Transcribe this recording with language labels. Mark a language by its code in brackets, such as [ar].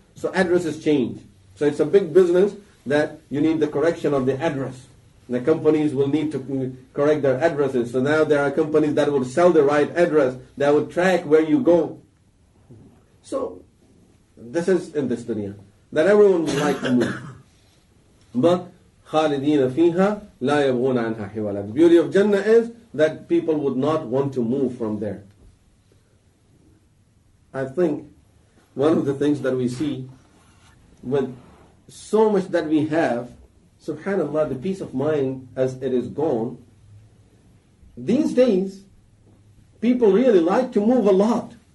[en] So addresses change. So it's a big business that you need the correction of the address. The companies will need to correct their addresses. So now there are companies that will sell the right address, that will track where you go. So this is in this dunya, that everyone would like to move. [ar] But خَالِدِينَ فِيهَا لَا يَبْغُونَ عَنْهَا حِوَلًا. [en] The beauty of Jannah is that people would not want to move from there. I think one of the things that we see with so much that we have, subhanAllah, the peace of mind as it is gone, these days people really like to move a lot.